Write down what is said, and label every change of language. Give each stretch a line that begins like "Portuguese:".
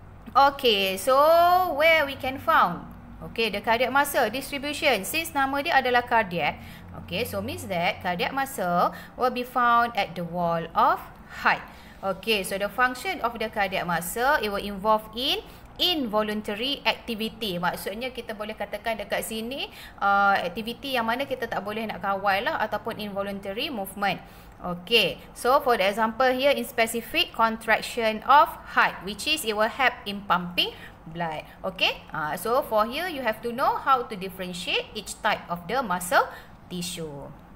English: Okay, so where we can found? Okay, the cardiac muscle distribution. Since
Malay: nama dia adalah
English: cardiac, okay, so means that cardiac muscle will be found at the wall of heart. Okay, so the function of the cardiac muscle, it will involve in involuntary activity.
Malay: Maksudnya kita boleh katakan dekat sini aktiviti yang mana kita tak boleh nak kawal lah, ataupun involuntary movement.
English: Okay, so for the example here, in specific contraction of heart, which is it will help in pumping blood. Okay, so for here you have to know how to differentiate each type of the muscle tissue.